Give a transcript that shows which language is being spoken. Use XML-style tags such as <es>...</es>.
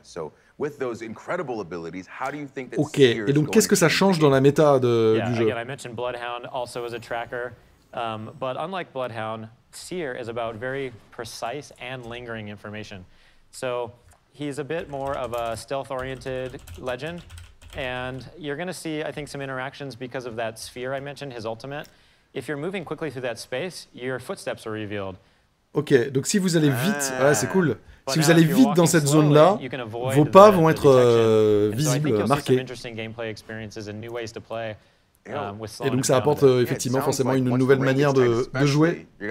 <en>So, with those incredible abilities, how do you think that</en> <fr>Okay, et donc qu'est-ce que ça change dans la méta du jeu?</fr> <en>Yeah, again, I mentioned Bloodhound also as a tracker. But unlike Bloodhound, Seer is about very precise and lingering information. So, he's a bit more of a stealth-oriented legend and you're going to see I think some interactions because of that sphere I mentioned, his ultimate. If you're moving quickly through that space, your footsteps are revealed.</en> <fr>Ok, donc si vous allez vite, ouais, c'est cool. Si vous allez vite dans cette zone-là, vos pas vont être visibles, marqués. Et donc ça apporte effectivement forcément une nouvelle manière de jouer.</fr>